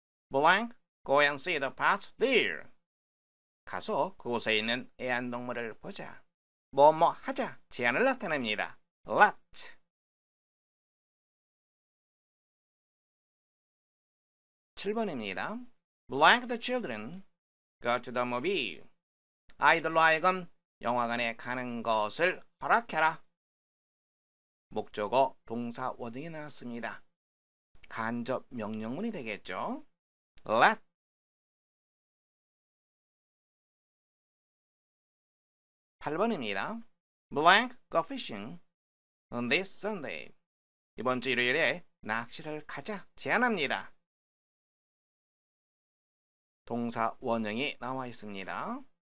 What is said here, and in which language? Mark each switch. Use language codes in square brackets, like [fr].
[en] blank go and see the pet deer. [ko] 가서 그곳에 있는 애완동물을 보자. 뭐뭐 하자. 제안을 나타냅니다. let. 7번입니다. [en] blank the children go to the movie. [ko] 아이들로 하여금 영화관에 가는 것을 허락해라. 목적어 동사 워딩이 나왔습니다. 간접 명령문이 되겠죠. let. 8번입니다. [en] blank go fishing on this Sunday. [ko] 이번 주 일요일에 낚시를 가자. 제안합니다. 동사 원형이 나와 있습니다.